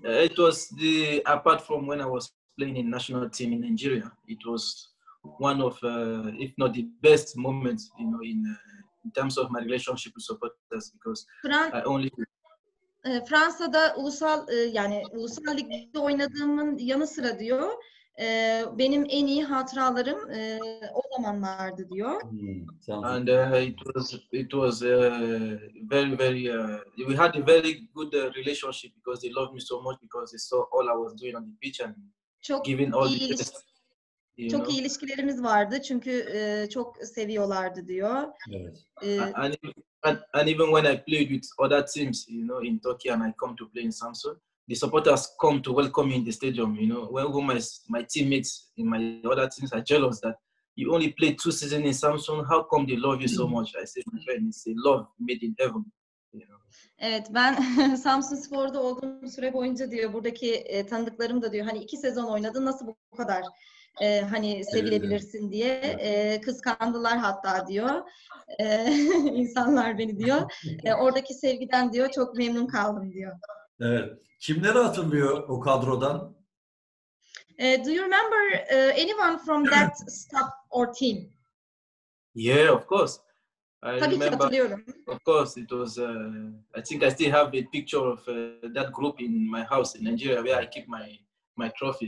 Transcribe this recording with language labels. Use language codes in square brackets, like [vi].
[en] It was the apart from when I was playing in national team in Nigeria. It was one of, if not the best moments, you know, in terms of my relationship with supporters because I only. [tr] Fransa'da ulusal yani ulusal ligde oynadığımın yanı sıra diyor. Benim en iyi hatıralarım o zamanlardı diyor. [en] And it was very we had a very good relationship because they loved me so much because they saw all I was doing on the pitch and [tr] çok [en] giving all the best. [tr] Çok iyi ilişkilerimiz vardı çünkü çok seviyorlardı diyor. [en] And even when I played with other teams, you know, in Turkey and I come to play in Samsun, the supporters come to welcome me in the stadium, you know. When my teammates in my other teams are jealous that you only played 2 seasons in Samsun, how come they love you so much? I say, my friend, it's a love made in heaven, you know. [tr] Evet, ben Samsun Spor'da olduğum süre boyunca diyor, buradaki tanıdıklarım da diyor, hani 2 sezon oynadın, nasıl bu kadar hani sevilebilirsin diye kıskandılar hatta diyor insanlar beni diyor oradaki sevgiden diyor çok memnun kaldım diyor. Evet, kimleri hatırlıyor o kadrodan? [en] Do you remember anyone from that staff or team? Yeah, of course. [tr] I tabii remember, ki hatırlıyorum. [en] Of course, it was. I think I still have a picture of that group in my house in Nigeria where I keep my trophy.